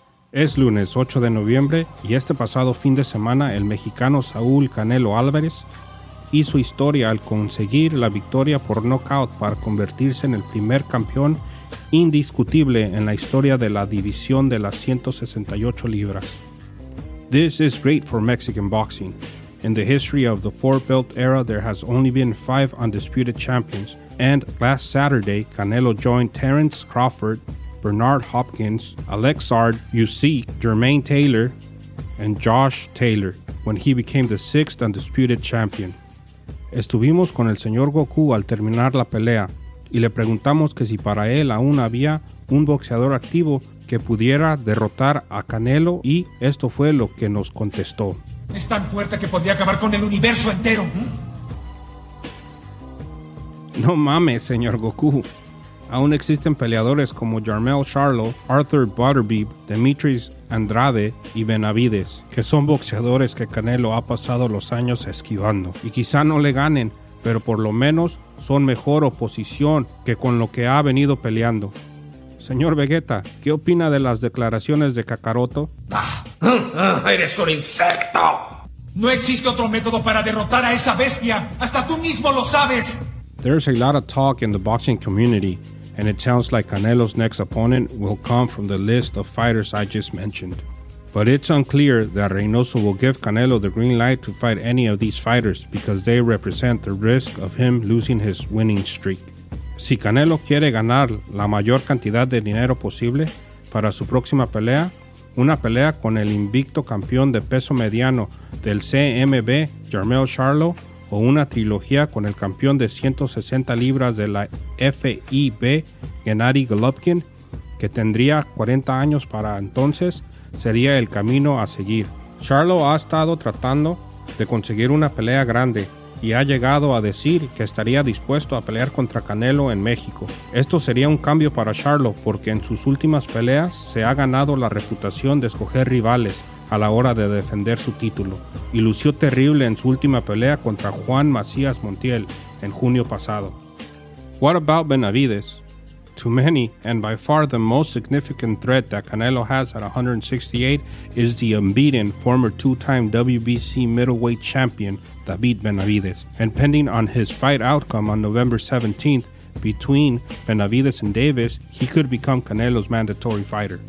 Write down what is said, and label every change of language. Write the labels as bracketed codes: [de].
[es] Es lunes 8 de noviembre y este pasado fin de semana el mexicano Saúl Canelo Alvarez hizo historia al conseguir la victoria por knockout para convertirse en el primer campeón indiscutible en la historia de la división de las 168 libras. [en] This is great for Mexican boxing. In the history of the four belt era, there has only been five undisputed champions. And last Saturday, Canelo joined Terence Crawford, Bernard Hopkins, Alexard Usyk, Jermaine Taylor, and Josh Taylor when he became the sixth undisputed champion. [es] Estuvimos con el señor Goku al terminar la pelea y le preguntamos que si para él aún había un boxeador activo que pudiera derrotar a Canelo y esto fue lo que nos contestó. Es tan fuerte que podría acabar con el universo entero. No mames, señor Goku. Aún existen peleadores como Jermell Charlo, Arthur Butterbeef, Demetrius Andrade y Benavides, que son boxeadores que Canelo ha pasado los años esquivando. Y quizá no le ganen, pero por lo menos son mejor oposición que con lo que ha venido peleando. Señor Vegeta, ¿qué opina de las declaraciones de Kakaroto? ¡Eres un insecto! ¡No existe otro método para derrotar a esa bestia! ¡Hasta tú mismo lo sabes! [en] There's a lot of talk in the boxing community, and it sounds like Canelo's next opponent will come from the list of fighters I just mentioned. But it's unclear that Reynoso will give Canelo the green light to fight any of these fighters because they represent the risk of him losing his winning streak. [es] Si Canelo quiere ganar la mayor cantidad de dinero posible para su próxima pelea, una pelea con el invicto campeón de peso mediano del CMB, Jermell Charlo, o una trilogía con el campeón de 160 libras de la FIB, Gennady Golovkin, que tendría 40 años para entonces, sería el camino a seguir. Charlo ha estado tratando de conseguir una pelea grande y ha llegado a decir que estaría dispuesto a pelear contra Canelo en México. Esto sería un cambio para Charlo porque en sus últimas peleas se ha ganado la reputación de escoger rivales a la hora de defender su título y lució terrible en su última pelea contra Juan Macías Montiel en junio pasado. [en] What about Benavides? To many, and by far the most significant threat that Canelo has at 168 is the unbeaten former two-time WBC middleweight champion David Benavides. And pending on his fight outcome on November 17th between Benavides and Davis, he could become Canelo's mandatory fighter.